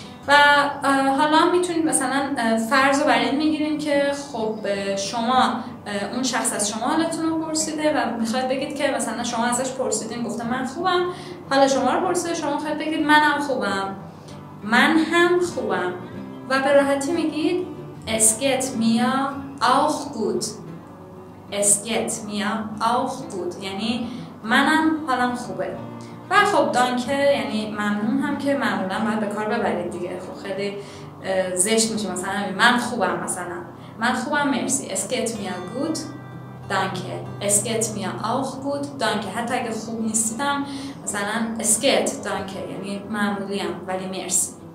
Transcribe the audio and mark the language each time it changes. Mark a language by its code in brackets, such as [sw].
[fa] و حالا میتونید مثلا فرض رو برای این میگیریم که خب شما اون شخص از شما حالتون رو پرسیده و میخواید بگید که مثلا شما ازش پرسیدین گفته من خوبم، حالا شما رو پرسیده، شما خواهید بگید منم خوبم، من هم خوبم. [de] و به راحتی میگید Es geht mir auch gut، Es geht mir auch gut، [fa] یعنی منم حالم خوبه. و و خب دانکه یعنی ممنون هم که معمولا باید به کار ببرید دیگه. خب خیلی زشت میشه مثلا من خوبم، مثلا من خوبم مرسی، [de] اس گت می ا گود دانکه، اس گت می ا اوخ گود دانکه، [fa] حتی اگه خوب نیستم مثلا [de] اس گت دانکه، [fa] یعنی معمولی ام ولی مرسی.